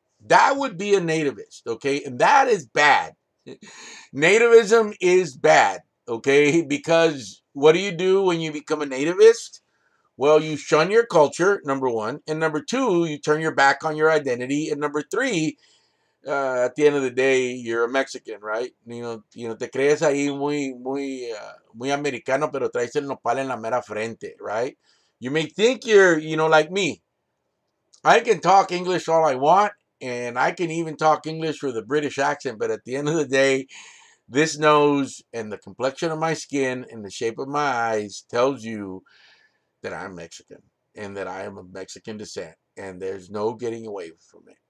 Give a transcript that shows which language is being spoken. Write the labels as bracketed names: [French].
[English] That would be a nativist, okay? And that is bad. Nativism is bad, okay? Because what do when you become a nativist? Well, you shun your culture, number one. And number two, you turn your back on your identity. And number three, at the end of the day, you're a Mexican, right? You know, [Spanish] te crees ahí muy americano, pero traes el nopal en la mera frente, [English] right? You may think you're, you know, like me. I can talk English all I want, and I can even talk English with a British accent, but at the end of the day, this nose and the complexion of my skin and the shape of my eyes tells you that I'm Mexican and that I am of Mexican descent, and there's no getting away from it.